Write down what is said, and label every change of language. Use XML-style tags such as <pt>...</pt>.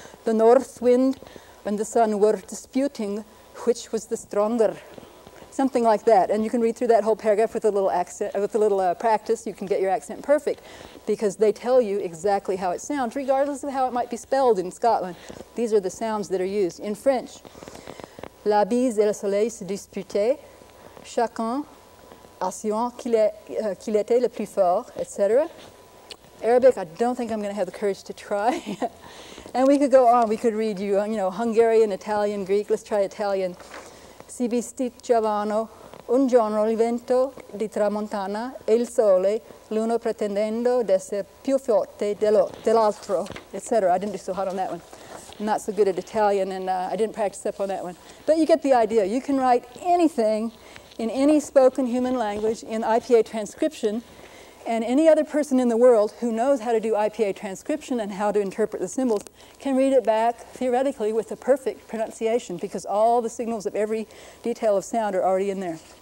<en>The North Wind and the Sun were disputing which was the stronger. Something like that. And you can read through that whole paragraph with a little accent, with a little practice. You can get your accent perfect because they tell you exactly how it sounds, regardless of how it might be spelled in Scotland. These are the sounds that are used. In French,</en> <fr>la bise et le soleil se disputaient, chacun assurant qu'il était le plus fort, etc.</fr> <en>Arabic, I don't think I'm going to have the courage to try. And we could go on. We could read you Hungarian, Italian, Greek. Let's try Italian.</en> <it>Si bisticciavano un giorno il vento di tramontana e il sole, l'uno pretendendo d'essere più forte dell'altro, etc.</it> <en>I didn't do so hot on that one. I'm not so good at Italian, and I didn't practice up on that one. But you get the idea. You can write anything in any spoken human language in IPA transcription, and any other person in the world who knows how to do IPA transcription and how to interpret the symbols can read it back theoretically with a perfect pronunciation because all the signals of every detail of sound are already in there.</en>